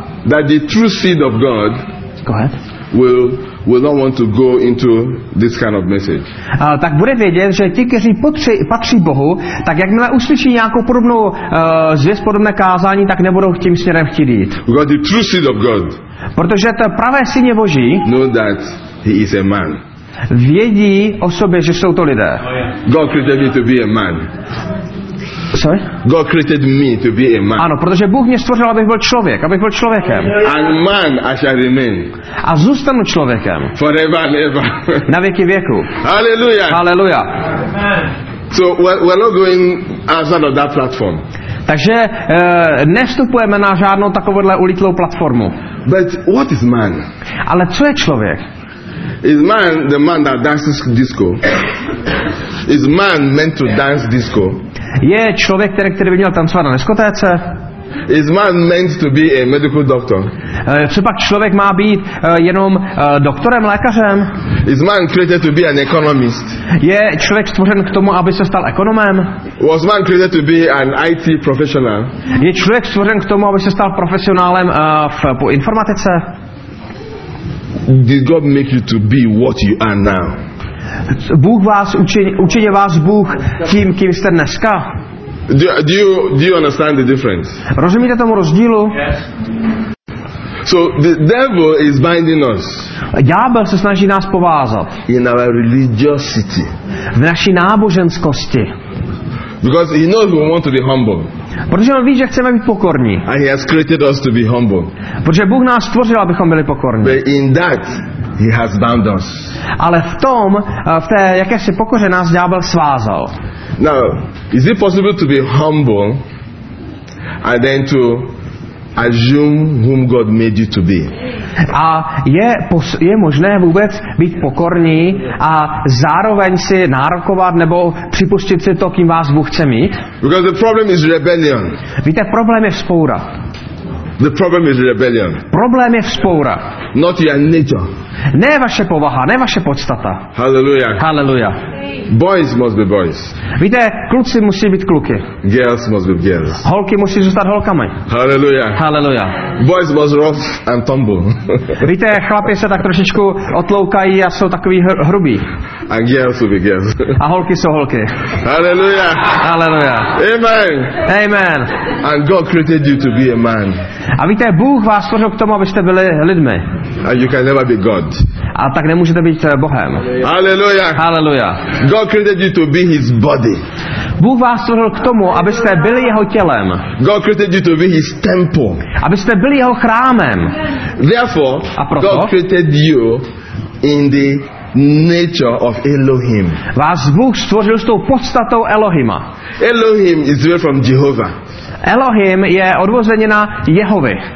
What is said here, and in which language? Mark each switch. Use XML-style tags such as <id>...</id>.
<en>that the true seed of God, go ahead, will not want to go into this kind of message.</en> <cs>Tak bude vědět, že ti, kteří patří Bohu, tak jakmile uslyší nějakou podobnou zvěst, podobné kázání, tak nebudou tím směrem chtít jít.</cs> <en>Because the true seed of God,</en> <cs>protože to pravé syně Boží,</cs> <en>know that he is a man.</en> <cs>Vědí o sobě, že jsou to lidé.</cs> <en>God created me to be a man. Sorry? God created me to be a man.</en> <cs>Ano, protože Bůh mě stvořil, abych byl člověk, abych byl člověkem.</cs> <en>And man I shall remain.</en> <cs>A zůstanu člověkem.</cs> <en>Forever and ever.</en> <cs>Na věky věku.</cs> <en>Hallelujah.</en> <cs>Hallelujah.</cs> <en>Amen. So we're not going outside of that platform.</en> <cs>Takže nevstupujeme na žádnou takovouhle ulítlou platformu.</cs> <en>But what is man?</en> <cs>Ale co je člověk?</cs> <en>Is man the man that dances disco? Is man meant to dance disco?</en> <cs>Je člověk, který by měl tancovat na diskotéce?</cs> <en>Is man meant to be a medical doctor?</en> <cs>Co pak člověk má být jenom doktorem, lékařem?</cs> <en>Is man created to be an economist?</en> <cs>Je člověk stvořen k tomu, aby se stal ekonomem?</cs> <en>Was man created to be an IT professional?</en> <cs>Je člověk stvořen k tomu, aby se stal profesionálem po informatice?</cs> <en>Did God make you to be what you are now?</en> <cs>Bůh vás učinil vás Bůh tím, kým jste dneska.</cs> <en>Do you understand the difference?</en> <cs>Rozumíte tomu rozdílu?</cs> <en>So the devil is binding us.</en> <cs>Ďábel se snaží nás povázat.</cs> <en>In our religiosity.</en> <cs>V naší náboženskosti.</cs> <en>Because he knows we want to be humble.</en> <cs>Protože on ví, že chceme být pokorní.</cs> <en>And he has created us to be humble.</en> <cs>Protože Bůh nás stvořil, abychom byli pokorní.</cs> <en>But in that he has bound us.</en> <cs>Ale v tom, v té jakési pokoře nás ďábel svázal.</cs> <en>Now, is it possible to be humble and then to assume whom God made you to be?</en> <cs>A je možné vůbec být pokorní a zároveň si nárokovat nebo připustit si to, kým vás Bůh chce mít?</cs> <en>Because the problem is rebellion.</en> <cs>Víte, problém je vzpoura.</cs> <en>The problem is rebellion.</en> <cs>Problém je vzpoura.</cs> <en>Not your nature.</en> <cs>Ne vaše povaha, ne vaše podstata.</cs> <en>Hallelujah.</en> <cs>Hallelujah.</cs> <en>Boys must be boys.</en> <cs>Víte, kluci musí být kluky.</cs> <en>Girls must be girls.</en> <cs>Holky musí zůstat holkami.</cs> <en>Hallelujah.</en> <cs>Hallelujah.</cs> <en>Boys must rough and tumble.</en> <cs>Víte, chlapi se tak trošičku otloukají a jsou takový hrubí.</cs> <en>And girls will be girls.</en> <cs>A holky jsou holky.</cs> <en>Hallelujah.</en> <cs>Hallelujah.</cs> <en>Amen.</en> <cs>Amen.</cs> <en>And God created you to be a man.</en> <cs>A víte, Bůh vás stvořil k tomu, abyste byli lidmi.</cs> <en>And you can never be God.</en> <cs>A tak nemůžete být Bohem.</cs> <en>Hallelujah.</en> <cs>Hallelujah.</cs> <en>God created you to be his body.</en> <cs>Bůh vás stvořil k tomu, abyste byli jeho tělem.</cs> <en>God created you to be his temple.</en> <cs>Abyste byli jeho chrámem.</cs> <en>Therefore,</en> <cs>a proto,</cs> <en>God created you in the nature of Elohim.</en> <cs>Vás Bůh stvořil s tou podstatou Elohima.</cs> <en>Elohim is derived from Jehovah.</en> <cs>Elohim je odvozeně na Jehovy.</cs>